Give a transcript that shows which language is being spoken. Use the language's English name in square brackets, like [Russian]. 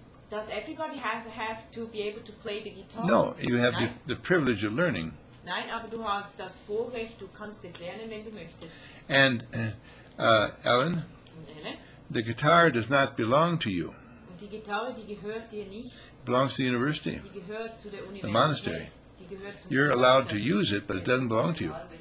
[English] Does everybody have to be able to play the guitar? No, you have the privilege of learning. [German] Nein, aber du hast das Vorrecht, du kannst es lernen, wenn du möchtest. [English] And Ellen, the guitar does not belong to you. [German] Und die Gitarre, die gehört dir nicht. [English] Belongs to the university. [German] Die gehört zu der Universität. [English] The monastery. You're allowed to use it, but it doesn't belong to you.